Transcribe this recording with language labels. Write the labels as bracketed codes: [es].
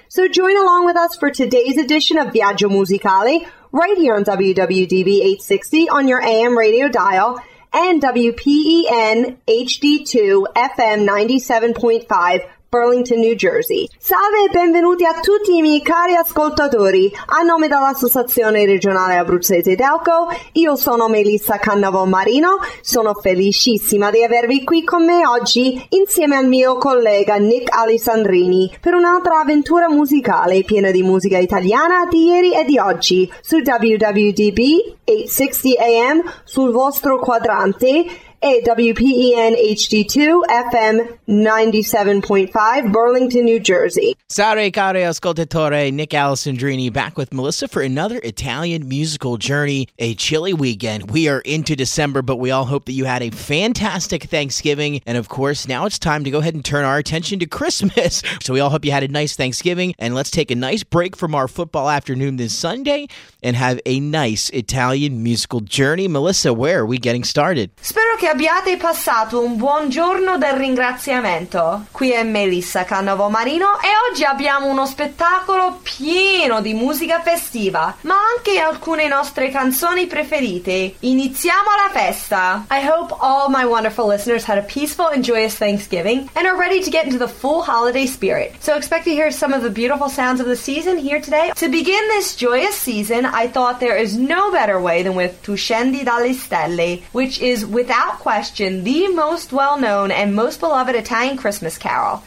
[en] So join along with us for today's edition of Viaggio Musicale, right here on WWDB 860 on your AM radio dial, and WPEN HD2 FM 97.5, Burlington, New Jersey. [it] Salve e benvenuti a tutti i miei cari ascoltatori. A nome dell'Associazione Regionale Abruzzese Delco, io sono Melissa Cannavo Marino. Sono felicissima di avervi qui con me oggi insieme al mio collega Nick Alessandrini per un'altra avventura musicale piena di musica italiana di ieri e di oggi su WWDB 860 AM sul vostro quadrante e WPEN HD2 FM 97.5 Burlington, New Jersey. Sare care ascoltatore, [en] Nick Alessandrini back with Melissa for another Italian musical journey. A chilly weekend. We are into December, but we all hope that you had a fantastic Thanksgiving. And of course, now it's time to go ahead and turn our attention to Christmas. So we all hope you had a nice Thanksgiving. And let's take a nice break from our football afternoon this Sunday and have a nice Italian musical journey. Melissa, where are we getting started? [it] Spero che abbiate passato un buon giorno del ringraziamento. Qui è Melissa Cannavo Marino e oggi abbiamo uno spettacolo pieno di musica festiva, ma anche alcune nostre canzoni preferite. Iniziamo la festa! [en] I hope all my wonderful listeners had a peaceful and joyous Thanksgiving and are ready to get into the full holiday spirit. So expect to hear some of the beautiful sounds of the season here today. To begin this joyous season, I thought there is no better way than with Tu Scendi Dalle Stelle, which is without question the most well-known and most beloved Italian Christmas carol.